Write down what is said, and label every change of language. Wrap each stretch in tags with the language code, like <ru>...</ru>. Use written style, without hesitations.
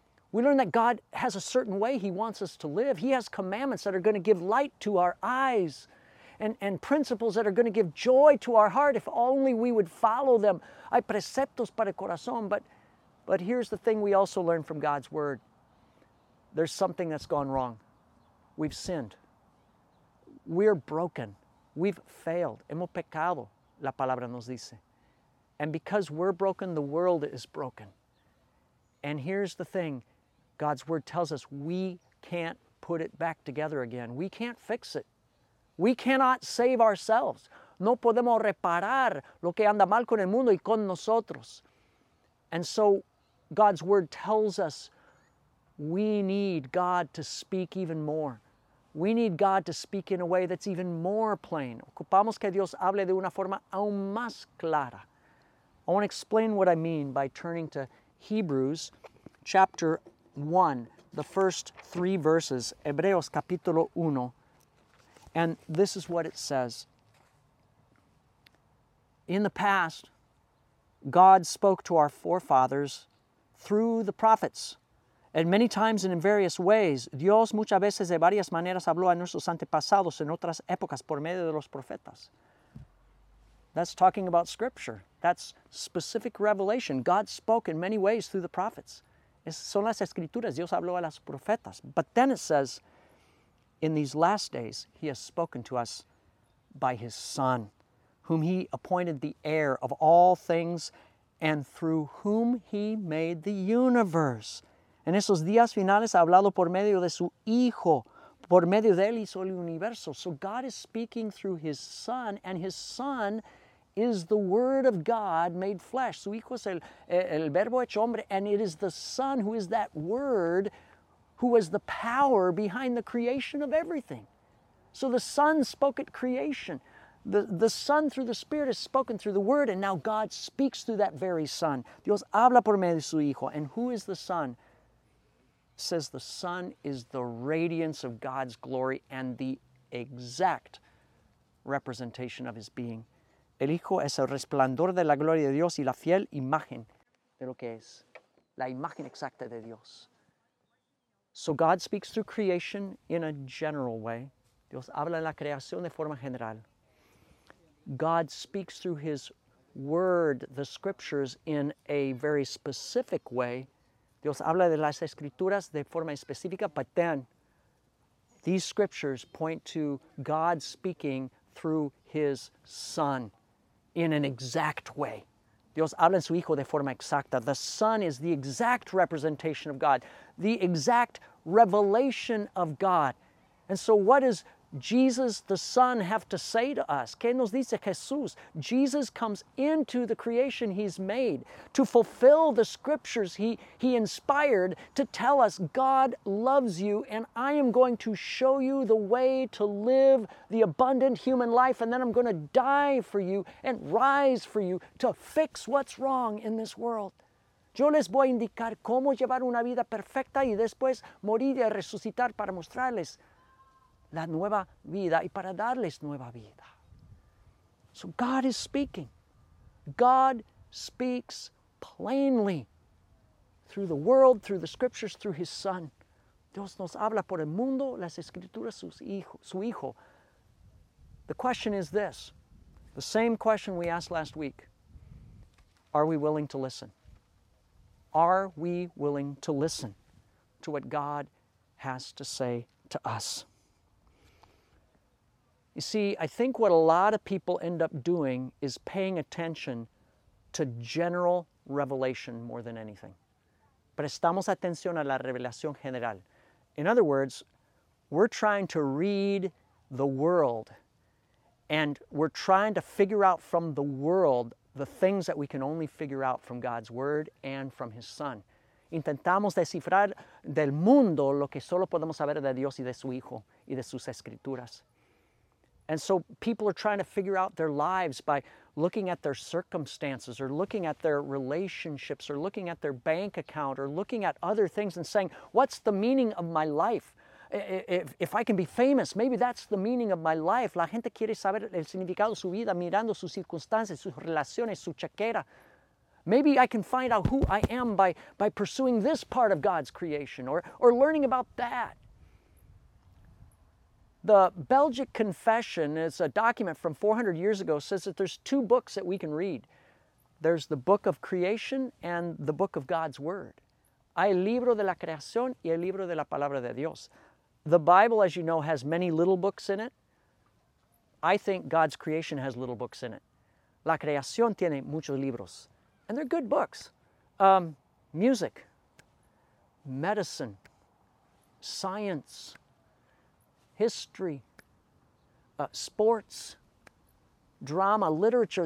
<en>We learn that God has a certain way he wants us to live. He has commandments that are going to give light to our eyes and principles that are going to give joy to our heart if only we would follow them.</en> <es>Hay preceptos para el corazón.</es> <en>But here's the thing we also learn from God's word. there's something that's gone wrong. We've sinned. We're broken. We've failed.</en> <es>Hemos pecado, la palabra nos dice.</es> <en>And because we're broken, the world is broken. And here's the thing. God's word tells us we can't put it back together again. We can't fix it. We cannot save ourselves.</en> <es>No podemos reparar lo que anda mal con el mundo y con nosotros.</es> <en>And so God's word tells us we need God to speak even more. We need God to speak in a way that's even more plain.</en> <es>Ocupamos que Dios hable de una forma aún más clara.</es> <en>I want to explain what I mean by turning to Hebrews chapter 1, the first three verses,</en> <es>Hebreos capítulo 1,</es> <en>and this is what it says. In the past, God spoke to our forefathers through the prophets, and many times and in various ways.</en> <es>Dios muchas veces de varias maneras habló a nuestros antepasados en otras épocas por medio de los profetas.</es> <en>That's talking about Scripture. That's specific revelation. God spoke in many ways through the prophets.</en> <es>Son las escrituras. Dios habló a las profetas.</es> <en>But then it says, in these last days, He has spoken to us by His Son, whom He appointed the heir of all things and through whom He made the universe.</en> <es>En esos días finales ha hablado por medio de su Hijo, por medio de él hizo el universo.</es> <en>So God is speaking through His Son, and His Son is the Word of God made flesh.</en> <es>Su Hijo es el Verbo hecho hombre,</es> <en>and it is the Son who is that Word who was the power behind the creation of everything. So the Son spoke at creation. The Son through the Spirit has spoken through the Word, and now God speaks through that very Son.</en> <es>Dios habla por medio de su Hijo.</es> <en>And who is the Son? Says the Son is the radiance of God's glory and the exact representation of His being.</en> <es>El Hijo es el resplandor de la gloria de Dios y la fiel imagen de lo que es, la imagen exacta de Dios.</es> <en>So God speaks through creation in a general way.</en> <es>Dios habla en la creación de forma general.</es> <en>God speaks through His Word, the Scriptures, in a very specific way.</en> <es>Dios habla de las Escrituras de forma específica,</es> <en>but then these Scriptures point to God speaking through His Son in an exact way.</en> <es>Dios habla en su Hijo de forma exacta.</es> <en>The Son is the exact representation of God, the exact revelation of God. And so what does Jesus the Son have to say to us?</en> <es>¿Qué nos dice Jesús?</es> <en>Jesus comes into the creation He's made to fulfill the Scriptures He inspired to tell us God loves you and I am going to show you the way to live the abundant human life and then I'm going to die for you and rise for you to fix what's wrong in this world.</en> <es>Yo les voy a indicar cómo llevar una vida perfecta y después morir y resucitar para mostrarles la nueva vida y para darles nueva vida.</es> <en>So God is speaking. God speaks plainly through the world, through the Scriptures, through His Son.</en> <es>Dios nos habla por el mundo, las Escrituras, su hijo.</es> <en>The question is this, the same question we asked last week. Are we willing to listen? Are we willing to listen to what God has to say to us? You see, I think what a lot of people end up doing is paying attention to general revelation more than anything.</en> <es>Prestamos atención a la revelación general.</es> <en>In other words, we're trying to read the world and we're trying to figure out from the world the things that we can only figure out from God's Word and from His Son.</en> <es>Intentamos descifrar del mundo lo que solo podemos saber de Dios y de su Hijo y de sus Escrituras.</es> <en>And so people are trying to figure out their lives by looking at their circumstances or looking at their relationships or looking at their bank account or looking at other things and saying, what's the meaning of my life? If I can be famous, maybe that's the meaning of my life.</en> <es>La gente quiere saber el significado de su vida mirando sus circunstancias, sus relaciones, su chequera.</es> <en>Maybe I can find out who I am by pursuing this part of God's creation or learning about that. The Belgic Confession is a document from 400 years ago, says that there's two books that we can read. There's the book of creation and the book of God's Word.</en> <es>Hay el libro de la creación y el libro de la palabra de Dios.</es> <en>The Bible, as you know, has many little books in it. I think God's creation has little books in it.</en> <es>La creación tiene muchos libros.</es> <en>And they're good books. Music, medicine, science, history, sports, drama, literature.</en>